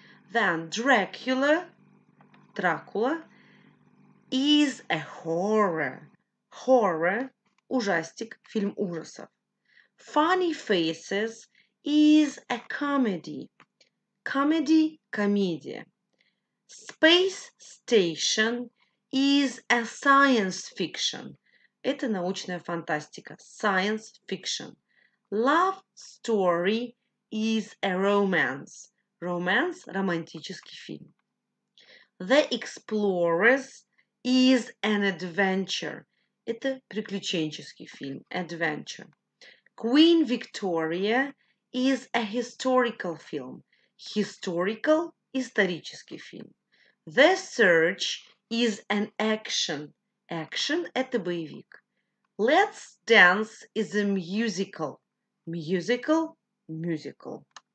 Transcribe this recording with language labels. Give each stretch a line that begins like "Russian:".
English: Then, Дракула is a horror.
Russian: Horror – ужастик, фильм ужасов.
English: Funny Faces is a comedy. Comedy – комедия. Space Station is a science fiction.
Russian: Это научная фантастика.
English: Science fiction. Love Story is a romance.
Russian: Romance – романтический фильм.
English: The Explorers is an adventure.
Russian: Это приключенческий фильм.
English: Adventure. Queen Victoria is a historical film.
Russian: Historical – исторический фильм.
English: The Search is an action.
Russian: Action – это боевик.
English: Let's Dance is a musical. Musical – musical.